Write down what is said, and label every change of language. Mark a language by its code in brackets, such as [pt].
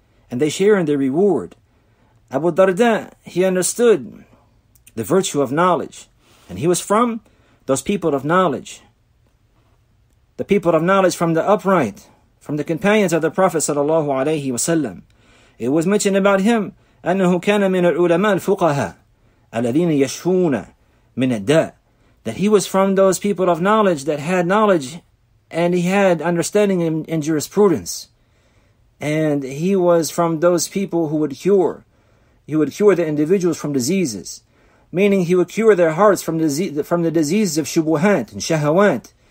[en] And they share in the reward. Abu Darda, he understood the virtue of knowledge. And he was from those people of knowledge. The people of knowledge from the upright, from the companions of the Prophet sallallahu alayhi wasallam. It was mentioned about him, [ar] أَنَّهُ كَانَ مِنَ الْعُلَمَاءِ الْفُقَهَاءِ الَّذِينَ يَشْهُونَ مِنَ الدَّاءِ. [en] That he was from those people of knowledge that had knowledge and he had understanding in jurisprudence. And he was from those people who would cure. He would cure the individuals from diseases. Meaning he would cure their hearts from the diseases of shubuhat and shahawat.